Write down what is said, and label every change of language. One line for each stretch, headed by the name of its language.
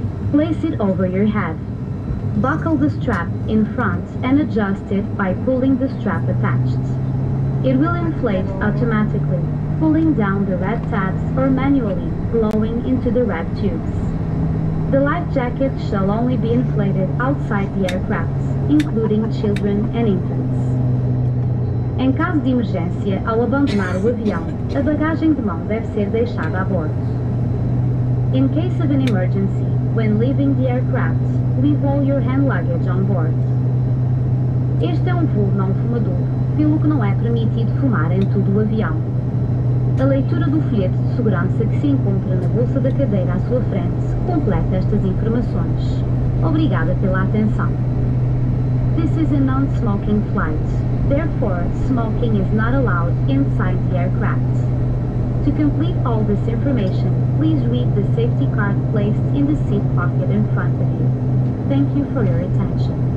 English: Place it over your head. Buckle the strap in front and adjust it by pulling the strap attached. It will inflate automatically, pulling down the red tabs or manually blowing into the red tubes. The life jacket shall only be inflated outside the aircraft, including children and infants.
Portuguese: Em caso de emergência, ao abandonar o avião, a bagagem de mão deve ser deixada a bordo.
English: In case of an emergency, when leaving the aircraft, leave all your hand luggage on board.
Portuguese: Este é um voo não fumador, pelo que não é permitido fumar em todo o avião. A leitura do folheto de segurança que se encontra na bolsa da cadeira à sua frente completa estas informações. Obrigada pela atenção.
English: This is a non-smoking flight. Therefore, smoking is not allowed inside the aircraft. To complete all this information, please read the safety card placed in the seat pocket in front of you. Thank you for your attention.